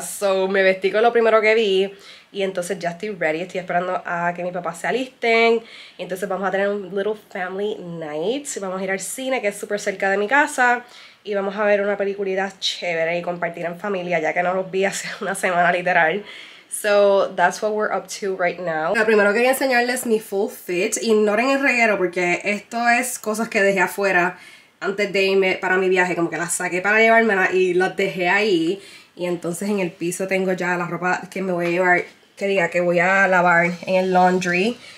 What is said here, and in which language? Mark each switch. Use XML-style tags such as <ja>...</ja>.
<es>So, me vestí con lo primero que vi y entonces ya estoy ready, estoy esperando a que mis papás se alisten. Y entonces vamos a tener un</es> <en>little family night,</en> <es>vamos a ir al cine que es súper cerca de mi casa. Y vamos a ver una peliculita chévere y compartir en familia, ya que no los vi hace una semana literal.</es> <en>So, that's what we're up to right now.</en> <es>Lo primero que quería enseñarles mi</es> <en>full fit.</en> <es>Ignoren el reguero, porque esto es cosas que dejé afuera antes de irme para mi viaje. Como que las saqué para llevármela y las dejé ahí. Y entonces en el piso tengo ya la ropa que me voy a llevar, que diga que voy a lavar en el laundry.</es>